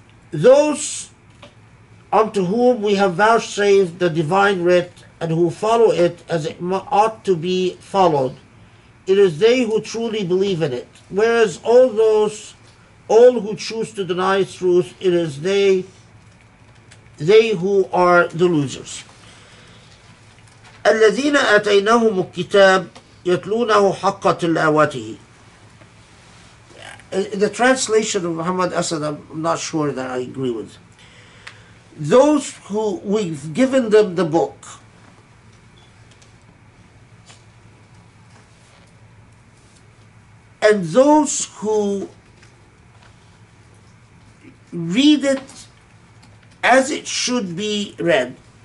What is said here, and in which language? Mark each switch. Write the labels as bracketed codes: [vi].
[en] Those unto whom we have vouchsafed the divine writ and who follow it as it ought to be followed, it is they who truly believe in it. Whereas all who choose to deny its truth, it is they who are the losers. [ar] الذين أتيناهم الكتاب يتلونه حق تلاوته. [en] The translation of Muhammad Asad, I'm not sure that I agree with. Those who we've given them the book, and those who read it as it should be read.